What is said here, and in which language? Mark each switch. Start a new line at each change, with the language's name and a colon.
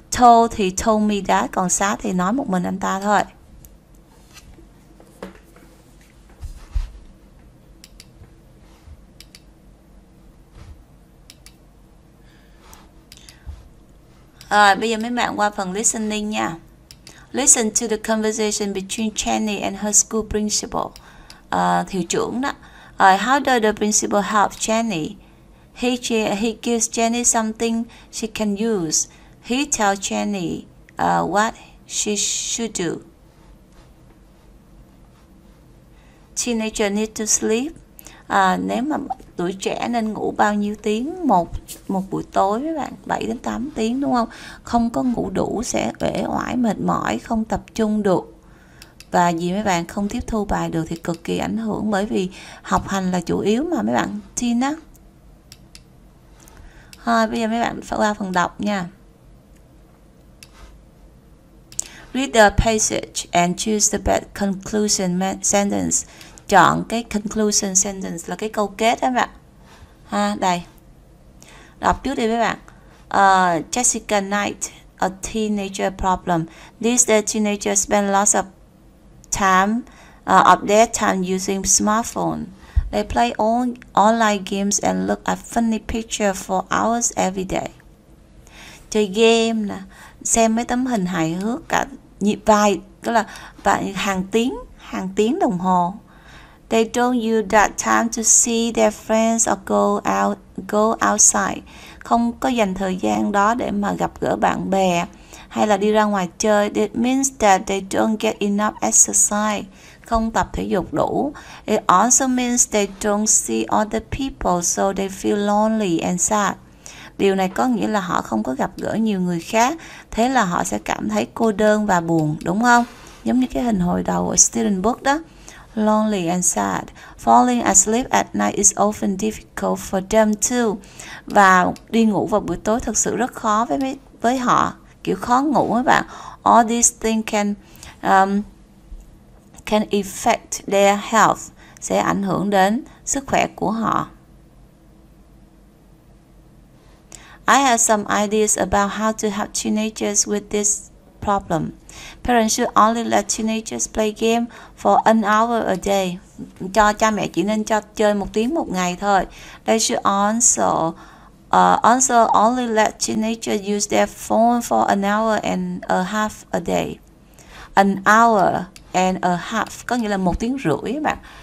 Vietnamese: Told thì
English: told me that,
Vietnamese: còn sát thì nói một mình anh ta thôi. Rồi, bây giờ mấy bạn qua phần listening nha.
English: Listen to the conversation between Jenny and her school principal.
Vietnamese: Hiệu trưởng đó.
English: How does the principal help Jenny? He gives Jenny something she can use. He tells Jenny what she should do. Teenager need to sleep.
Vietnamese: Nếu mà tuổi trẻ nên ngủ bao nhiêu tiếng một buổi tối mấy bạn? 7 đến 8 tiếng đúng không? Không có ngủ đủ sẽ uể oải mệt mỏi, không tập trung được. Và gì mấy bạn không tiếp thu bài được thì cực kỳ ảnh hưởng, bởi vì học hành là chủ yếu mà mấy bạn tin á. Thôi bây giờ mấy bạn phải qua phần đọc nha.
English: Read the passage and choose the best conclusion sentence.
Vietnamese: Chọn cái conclusion sentence là cái câu kết các bạn ha. Đây, đọc trước đi mấy bạn. Jessica Knight,
English: a teenager problem. These days teenagers spend lots of time of their time using smartphone. They play online games and look at funny pictures for hours every day.
Vietnamese: Chơi game nè, xem mấy tấm hình hài hước cả nhịp vài, tức là hàng tiếng đồng hồ.
English: They don't use that time to see their friends or go outside.
Vietnamese: Không có dành thời gian đó để mà gặp gỡ bạn bè hay là đi ra ngoài chơi.
English: It means that they don't get enough exercise.
Vietnamese: Không tập thể dục đủ.
English: It also means they don't see other people, so they feel lonely and sad.
Vietnamese: Điều này có nghĩa là họ không có gặp gỡ nhiều người khác, thế là họ sẽ cảm thấy cô đơn và buồn, đúng không? Giống như cái hình hồi đầu ở Student Book đó.
English: Lonely and sad. Falling asleep at night is often difficult for them too.
Vietnamese: Và đi ngủ vào buổi tối thực sự rất khó với họ. Kiểu khó ngủ mấy bạn.
English: All these things can affect their health.
Vietnamese: Sẽ ảnh hưởng đến sức khỏe của họ.
English: I have some ideas about how to help teenagers with this problem. Parents should only let teenagers play game for an hour a day.
Vietnamese: Cho cha mẹ chỉ nên cho chơi một tiếng một ngày thôi.
English: They should also only let teenagers use their phone for an hour and a half a day. An hour and a half
Vietnamese: có nghĩa là một tiếng rưỡi bạn.